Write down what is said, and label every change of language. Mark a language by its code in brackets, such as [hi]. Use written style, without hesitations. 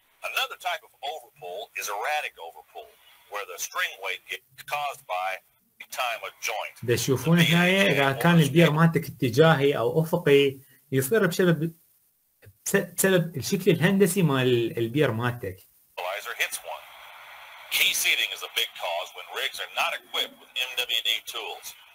[en] Another type of overpull is erratic overpull, where the string weight gets caused by the time of joint. [ar] تشوفون هنا اذا كان البير مالتك اتجاهي او افقي يصير بسبب الشكل الهندسي مال البير مالتك. [en] Key seating is a big cause when rigs are not equipped with MWD tools.